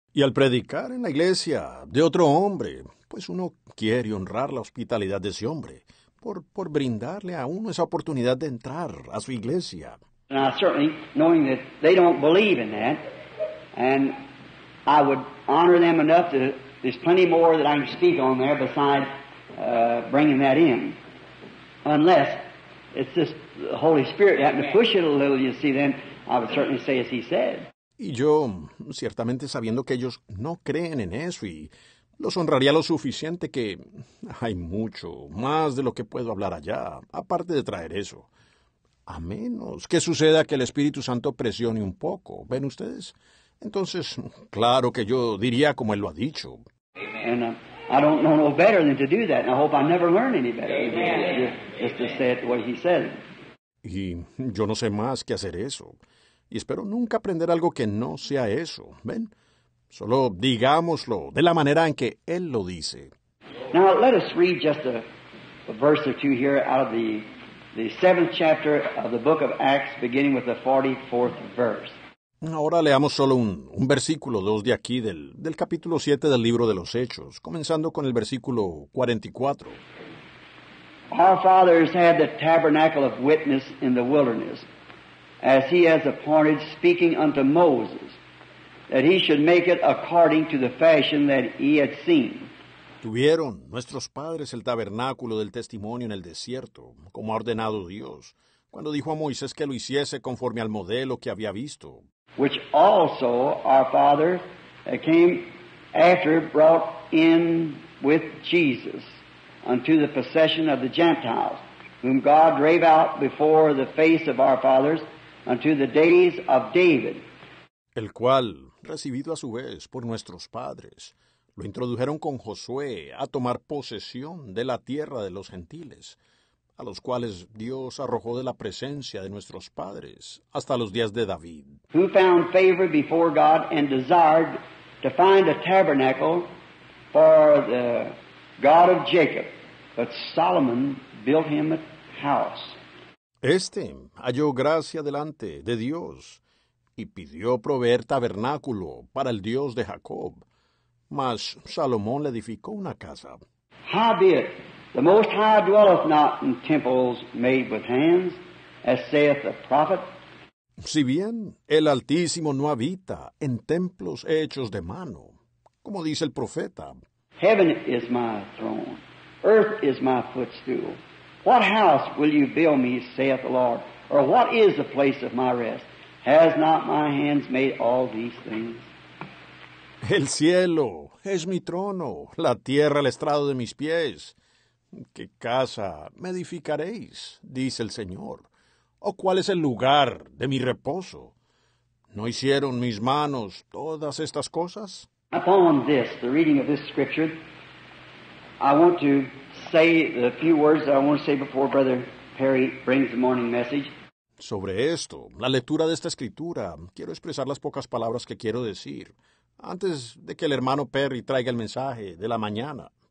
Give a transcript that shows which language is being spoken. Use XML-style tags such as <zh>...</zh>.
<es>Y al predicar en la iglesia de otro hombre, pues uno quiere honrar la hospitalidad de ese hombre por brindarle a uno esa oportunidad de entrar a su iglesia.</es> <en>Now, certainly, knowing that they don't believe in that, and I would honor them enough to. There's plenty more that I can speak on there besides bringing that in. Unless it's just the Holy Spirit happened to push it a little, you see, then I would certainly say as he said.</en> <es>Y yo, ciertamente sabiendo que ellos no creen en eso y los honraría lo suficiente que hay mucho más de lo que puedo hablar allá, aparte de traer eso. A menos que suceda que el Espíritu Santo presione un poco, ¿ven ustedes? Entonces, claro que yo diría como él lo ha dicho.</es> <en>And I don't know no better than to do that, and I hope I never learn any better than just to say it the way he said.</en> <es>Y yo no sé más que hacer eso. Y espero nunca aprender algo que no sea eso. ¿Ven? Solo digámoslo de la manera en que él lo dice.</es> <en>Now, let us read just a verse or two here out of the seventh chapter of the book of Acts, beginning with the 44th verse.</en> <es>Ahora leamos solo un versículo, dos de aquí, del capítulo 7 del libro de los Hechos, comenzando con el versículo 44.</es> <en>Our fathers had the tabernacle of witness in the wilderness, as he has appointed, speaking unto Moses, that he should make it according to the fashion that he had seen.</en> <es>Tuvieron nuestros padres el tabernáculo del testimonio en el desierto, como ha ordenado Dios, cuando dijo a Moisés que lo hiciese conforme al modelo que había visto.</es> <en>Which also our father came after brought in with Jesus unto the possession of the Gentiles, whom God drave out before the face of our fathers unto the days of David.</en> <es>El cual, recibido a su vez por nuestros padres, lo introdujeron con Josué a tomar posesión de la tierra de los gentiles, a los cuales Dios arrojó de la presencia de nuestros padres hasta los días de David.</es> <en>Who found favor before God and desired to find a tabernacle for the God of Jacob, but Solomon built him a house.</en> <es>Este halló gracia delante de Dios y pidió proveer tabernáculo para el Dios de Jacob, mas Salomón le edificó una casa.</es> <en>Howbeit, the Most High dwelleth not in temples made with hands, as saith the prophet.</en> <es>Si bien el Altísimo no habita en templos hechos de mano, como dice el profeta,</es> <en>Heaven is my throne, earth is my footstool. What house will you build me, saith the Lord? Or what is the place of my rest? Has not my hands made all these things?</en> <es>El cielo es mi trono, la tierra el estrado de mis pies. ¿Qué casa me edificaréis? Dice el Señor. ¿O cuál es el lugar de mi reposo? ¿No hicieron mis manos todas estas cosas?</es> <en>Upon this, the reading of this scripture, I want to say the few words that I want to say before Brother Perry brings the morning message.</en> <es>Sobre esto, la lectura de esta escritura, quiero expresar las pocas palabras que quiero decir antes de que el hermano Perry traiga el mensaje de la mañana.</es>